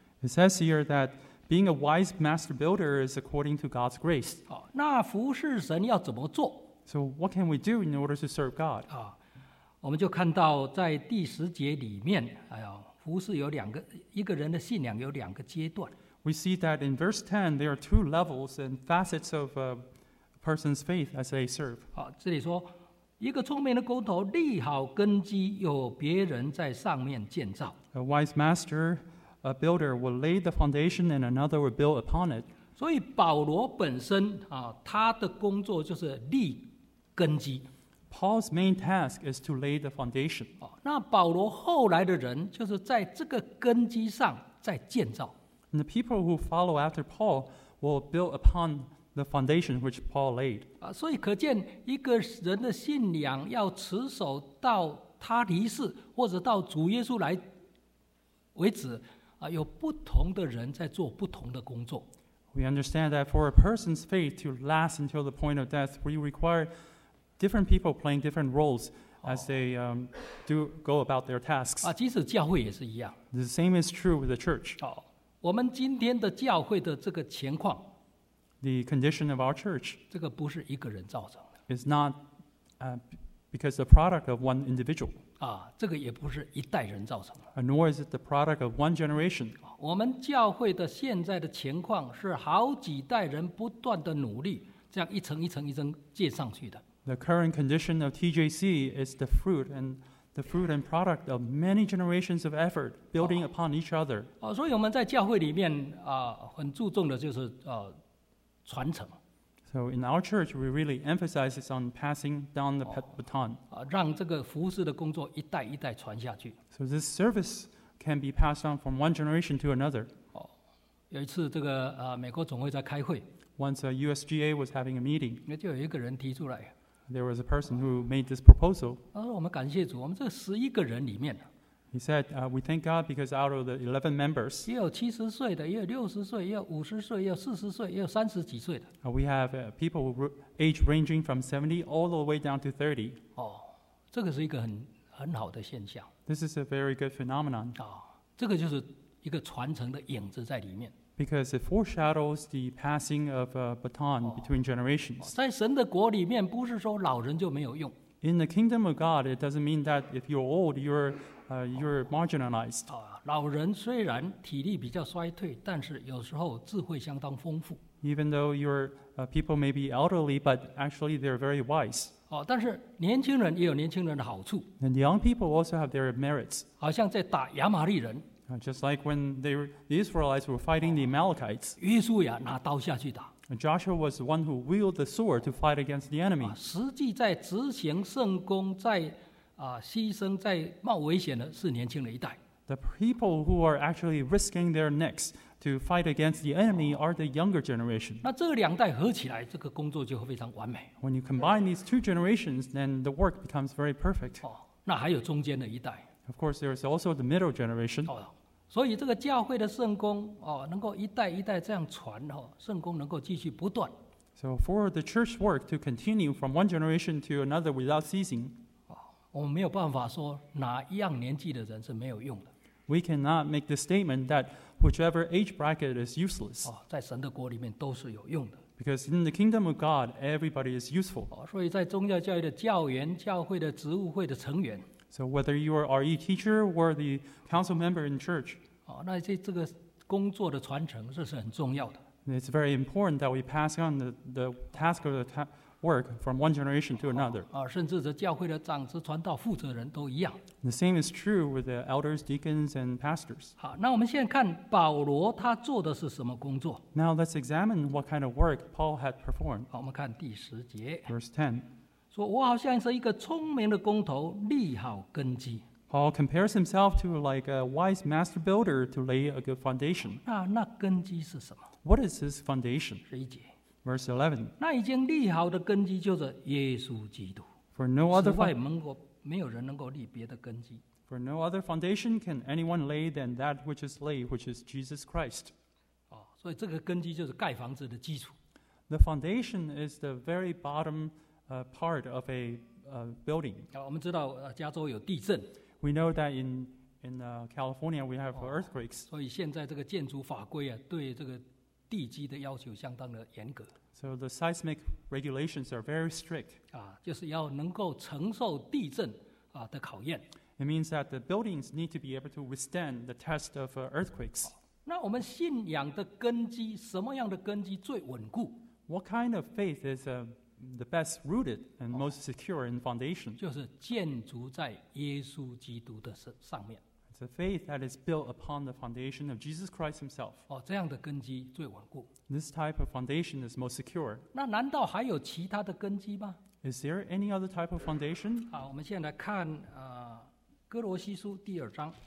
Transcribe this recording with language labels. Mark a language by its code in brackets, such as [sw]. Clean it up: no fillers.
[en] It says here that being a wise master builder is according to God's grace. [zh] 那服侍神要怎么做？ [en] So what can we do in order to serve God? [zh] 我们就看到在第十节里面，服事有两个，一个人的信仰有两个阶段。 [en] We see that in verse 10, there are two levels and facets of a person's faith as they serve. [zh] 这里说，一个聪明的工头立好根基，有别人在上面建造。 [en] A wise master, a builder, will lay the foundation and another will build upon it. [zh] 所以保罗本身，他的工作就是立根基。 [en] Paul's main task is to lay the foundation. [zh] 那保罗后来的人就是在这个根基上在建造。 [en] And the people who follow after Paul will build upon the foundation which Paul laid. [zh] 所以可见一个人的信仰要持守到他离世或者到主耶稣来为止，有不同的人在做不同的工作。 [en] We understand that for a person's faith to last until the point of death, we require different people playing different roles as they do go about their tasks. [zh] 即使教会也是一样。 [en] The same is true with the church. [zh] 我们今天的教会的这个情况 [en] ，the condition of our church， [zh] 这个不是一个人造成的。 [en] It's not because the product of one individual. [zh] 这个也不是一代人造成的。 [en] Nor is it the product of one generation. [zh] 我们教会的现在的情况是好几代人不断的努力，这样一层一层一层接上去的。 [en] The current condition of TJC is the fruit and the fruit and product of many generations of effort building upon each other. [zh] 所以我们在教会里面很注重的就是传承。 [en] So in our church, we really emphasize on passing down the baton. [zh] 让这个服事的工作一代一代传下去。 [en] So this service can be passed on from one generation to another. [zh] 有一次这个美国总会在开会。 [en] Once a USGA was having a meeting. [zh] 那就有一个人提出来。 [en] There was a person who made this proposal. [zh] 我们感谢主，我们这十一个人里面。 [en] He said, we thank God because out of the 11 members, [zh] 也有70岁的，也有60岁，也有50岁，也有40岁，也有三十几岁的。 [en] We have people with age ranging from 70 all the way down to 30. [zh] 这个是一个很好的现象。 [en] This is a very good phenomenon. [zh] 这个就是一个传承的影子在里面。 [en] Because it foreshadows the passing of a baton between generations. [zh] 在神的国里面，不是说老人就没有用。 [en] In the kingdom of God, it doesn't mean that if you're old, you're marginalized. [zh] 老人虽然体力比较衰退，但是有时候智慧相当丰富。 [en] Even though your people may be elderly, but actually they're very wise. [zh] 但是年轻人也有年轻人的好处。 [en] And young people also have their merits. [zh] 好像在打亚玛力人。 [en] Just like when the Israelites were fighting the Amalekites. [zh] 约书亚拿刀下去打。 [en] Joshua was the one who wielded the sword to fight against the enemy. [zh] 实际在执行圣功，在牺牲，在冒危险的是年轻的一代。 [en] The people who are actually risking their necks to fight against the enemy are the younger generation. [zh] 那这两代合起来，这个工作就会非常完美。 [en] When you combine these two generations, then the work becomes very perfect. [zh] 那还有中间的一代。 [en] Of course, there is also the middle generation. [zh] 所以这个教会的圣功能够一代一代这样传圣功能够继续不断。 [en] So for the church work to continue from one generation to another without ceasing, [zh] 我们没有办法说哪一样年纪的人是没有用的。 [en] We cannot make the statement that whichever age bracket is useless. [zh] 在神的国里面都是有用的。 [en] Because in the kingdom of God, everybody is useful. [zh] 所以在宗教教育的教员、教会的职务会的成员。 [en] So whether you are RE teacher or the council member in church, [zh] 那这个工作的传承是很重要的。 [en] It's very important that we pass on the task of the work from one generation to another. [zh] 甚至是教会的长执、传道、负责人都一样。 [en] The same is true with the elders, deacons, and pastors. [zh] 好，那我们现在看保罗他做的是什么工作。 [en] Now let's examine what kind of work Paul had performed. [zh] 我们看第十节。 [en] Verse 10. [zh] 我好像是一个聪明的工头，立好根基。 [en] Paul compares himself to like a wise master builder to lay a good foundation. [zh] 那根基是什么 [en] ？What is his foundation? [zh] 十一节 [en] ，verse 11. [zh] 那已经立好的根基就是耶稣基督。 [en] For no other [zh] 此外，没有人能够立别的根基。 [en] For no other foundation can anyone lay than that which is laid, which is Jesus Christ. [zh] 所以这个根基就是盖房子的基础。 [en] The foundation is the very bottom. Part of a building. [zh] 我们知道加州有地震。 [en] We know that in California we have earthquakes. [zh] 所以现在这个建筑法规对这个地基的要求相当的严格。 [en] So the seismic regulations are very strict. [zh] 就是要能够承受地震的考验。 [en] It means that the buildings need to be able to withstand the test of earthquakes. [zh] 那我们信仰的根基，什么样的根基最稳固 [en] ？What kind of faith is a The best rooted and most secure in foundation. [zh] 就是建筑在耶稣基督的上面。 [en] It's a faith that is built upon the foundation of Jesus Christ himself. [zh] 这样的根基最稳固。 [en] This type of foundation is most secure. [zh] 那难道还有其他的根基吗 [en] ？Is there any other type of foundation? [zh] 我们现在来看哥罗西书第二章。